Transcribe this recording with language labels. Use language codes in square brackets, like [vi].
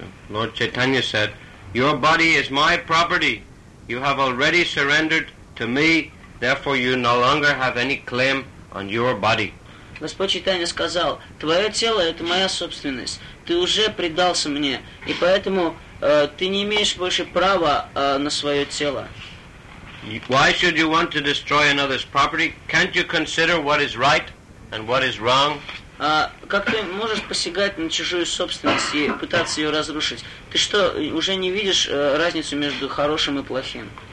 [en] Lord Chaitanya said, Your body is my property. You have already surrendered to me, therefore you no longer have any claim on your body. [ru] Господь Чайтанья сказал, «Твое тело – это моя собственность. Ты уже предался мне, и поэтому ты не имеешь больше права на свое тело». [en] Why should you want to destroy another's property? Can't you consider what is right and what is wrong? [ru] Как ты можешь посягать на чужую собственность и пытаться ее разрушить? Ты что, уже не видишь разницу между хорошим и плохим?